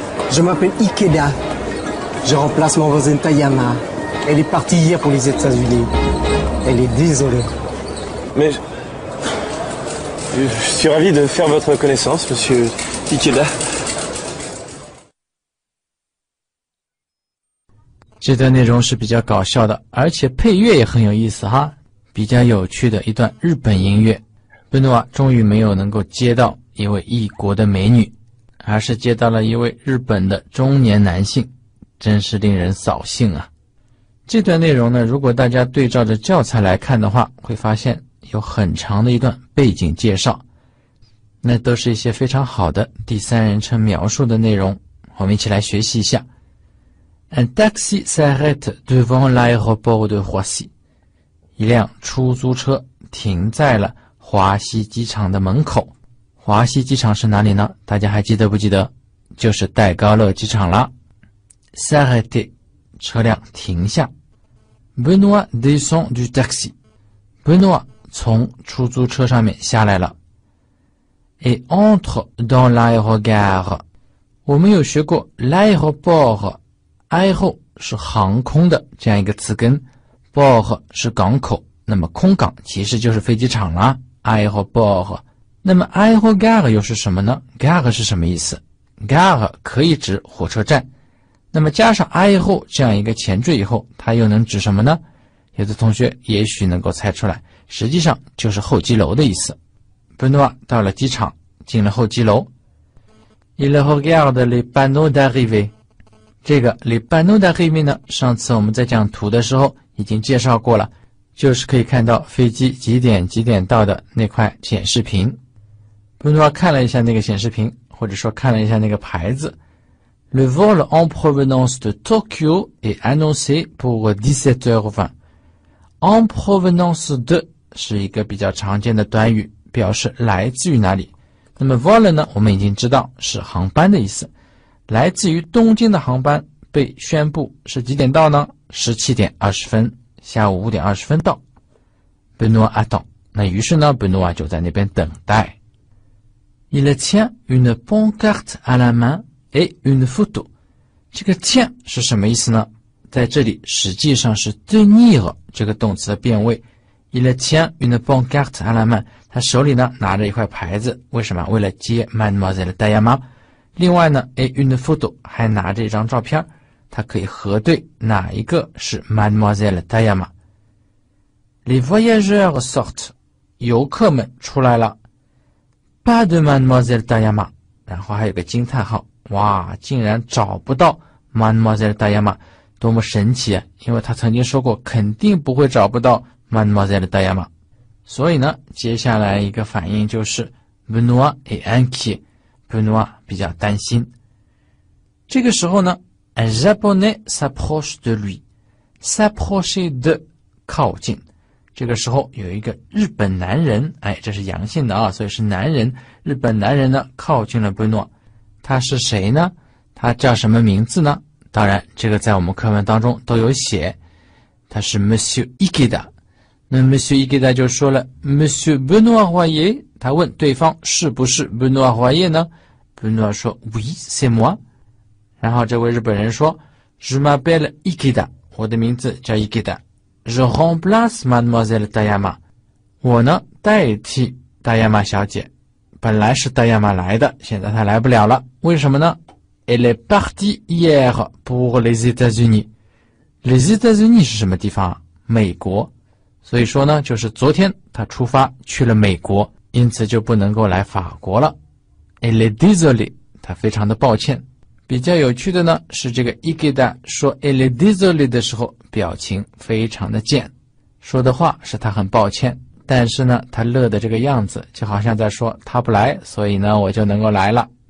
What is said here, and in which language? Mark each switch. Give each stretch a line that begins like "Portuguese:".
French: Je m'appelle Ikeda. Je remplace mon voisin Tayama. Elle est partie hier pour les États-Unis. Elle est désolée. Mais je suis ravi de faire votre connaissance, monsieur Ikeda.
Chinese: 这段内容是比较搞笑的，而且配乐也很有意思哈。比较有趣的一段日本音乐，贝诺瓦终于没有能够接到一位异国的美女，而是接到了一位日本的中年男性，真是令人扫兴啊。这段内容呢，如果大家对照着教材来看的话，会发现有很长的一段背景介绍，那都是一些非常好的第三人称描述的内容，我们一起来学习一下。
French: Un taxi s'arrête devant l'aéroport de Roissy。
Chinese: 一辆出租车停在了华西机场的门口。华西机场是哪里呢？大家还记得不记得？就是戴高乐机场了。
French: S'arrêter，
Chinese: 车辆停下。
French: Benoît descend du taxi。
Chinese: Benoît 从出租车上面下来了。
French: Et entre dans l'aérogare。
Chinese: 我们有学过 l'aéroport，aéro 是航空的这样一个词根。 Port 是港口，那么空港其实就是飞机场啦。 Aéroport， 那么 Aérogare 又是什么呢？ Gare 是什么意思？Gare 可以指火车站，那么加上 Aéro 这样一个前缀以后，它又能指什么呢？有的同学也许能够猜出来，实际上就是候机楼的意思。 Benoît 到了机场，进了候机楼。
French: Il regarde les panneaux d'arrivée。
Chinese: 这个 les panneaux d'arrivée 呢，上次我们在讲图的时候已经介绍过了，就是可以看到飞机几点几点到的那块显示屏。 Benoît 看了一下那个显示屏，或者说看了一下那个牌子。
French: Le vol en provenance de Tokyo est annoncé pour 17h20.
Chinese: En provenance de 是一个比较常见的短语，表示来自于哪里。那么 vol 呢，我们已经知道是航班的意思。来自于东京的航班被宣布是几点到呢？ 17:20，下午5:20到。
French: Benoît attend，
Chinese: 那于是呢 ，Benoît 就在那边等待。
French: Il tient une pancarte à la main et une photo。
Chinese: 这个 tient 是什么意思呢？在这里实际上是 tenir 这个动词的变位。
French: Il tient une pancarte à la main，
Chinese: 他手里呢拿着一块牌子，为什么？为了接 Mademoiselle Diana。另外呢 ，
French: et une photo
Chinese: 还拿着一张照片。他可以核对哪一个是 Mademoiselle Tayama。
French: Les voyageurs sortent，
Chinese: 游客们出来了。
French: pas de Mademoiselle Tayama.
Chinese: 然后还有个惊叹号，哇，竟然找不到 Mademoiselle Tayama， 多么神奇啊！因为他曾经说过肯定不会找不到 Mademoiselle Tayama。所以呢，接下来一个反应就是 Benoit et Anki， Benoit 比较担心。这个时候呢， un Japonais s'approche de lui， s'approcher de 靠近。这个时候有一个日本男人，哎，这是阳性的啊，所以是男人，日本男人呢靠近了 Benoit。他是谁呢？他叫什么名字呢？当然这个在我们课文当中都有写，他是 Monsieur Ikeda。那 Monsieur Ikeda 就说了 Monsieur Benoit Royer， 他问对方是不是 Benoit Royer 呢？ Benoit 说
French: Oui c'est moi。
Chinese: 然后这位日本人说
French: Je m'appelle Ikeda，
Chinese: 我的名字叫 Ikeda。
French: Je remplace Mademoiselle Tayama，
Chinese: 我呢代替 Tayama 小姐。本来是 Tayama 来的，现在她来不了了，为什么呢？
French: Elle est partie hier pour les États-Unis。
Chinese: Les États-Unis 是什么地方啊？美国。所以说呢，就是昨天她出发去了美国，因此就不能够来法国了。
French: Elle est désolée，
Chinese: 她非常的抱歉。比较有趣的呢，是这个 Ikeda 说 Elle est désolée 的时候表情非常的贱，说的话是他很抱歉，但是呢他乐的这个样子就好像在说他不来，所以呢我就能够来了。